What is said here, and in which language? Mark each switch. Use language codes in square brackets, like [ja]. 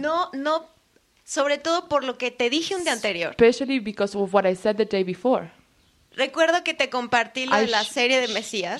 [es] No, sobre todo por lo que te dije un día anterior. [en] Especially because of what I said the day before. [es] Recuerdo que te compartí lo de la serie de Mesías.